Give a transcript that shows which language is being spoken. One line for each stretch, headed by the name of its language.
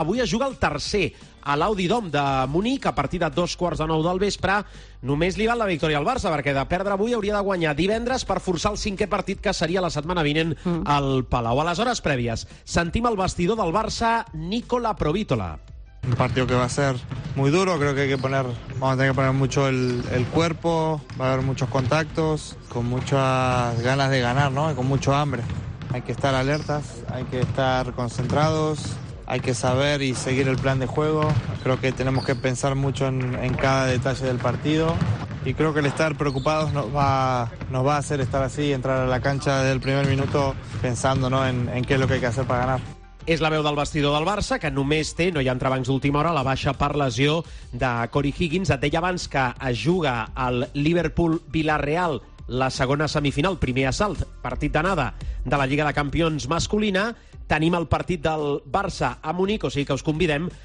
Catalan: Avui es juga el tercer a l'Audi Dome de Múnich, a partir de 8:45 del vespre. Només li val la victòria al Barça, perquè de perdre avui hauria de guanyar divendres per forçar el 5è partit, que seria la setmana vinent al Palau. A les hores prèvies, sentim el vestidor del Barça, Nicola Provítola.
Spanish: Un partido que va a ser muy duro, creo que vamos a tener que poner mucho el cuerpo, va a haber muchos contactos, con muchas ganas de ganar, ¿no? Y con mucho hambre. Hay que estar alertas, hay que estar concentrados, hay que saber y seguir el plan de juego. Creo que tenemos que pensar mucho en cada detalle del partido. Y creo que el estar preocupados nos va a hacer estar así, entrar a la cancha desde el primer minuto pensando, ¿no?, en qué es lo que hay que hacer para ganar.
Catalan: És la veu del vestidor del Barça, que només té, no hi ha entrebancs d'última hora, la baixa per lesió de Corey Higgins. Et deia abans que es juga al Liverpool-Villarreal la segona semifinal, primer assalt, partit d'anada de la Lliga de Campions masculina. Tenim el partit del Barça a Múnich, o sigui que us convidem